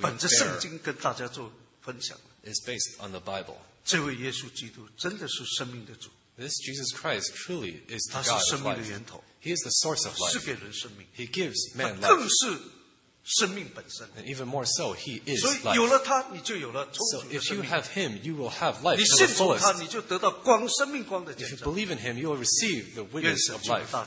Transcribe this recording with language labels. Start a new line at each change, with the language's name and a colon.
Chinese: bear 是本着圣经跟大家做分享
English: is based on the Bible.
Chinese: 这位耶稣基督真的是生命的主
English: This Jesus Christ truly is the God of
Chinese: life. 他是生命的源头
English: He is the source of life.
Chinese: 是给人生命
English: He gives man life.
Chinese: 他更是生命本身
English: And even more so, He is life.
Chinese: 所以有了他你就有了充足的生命
English: So if you have Him, you will have life.
Chinese: 你信从他你就得到光生命光的见证
English: If you believe in Him, you will receive the witness of life.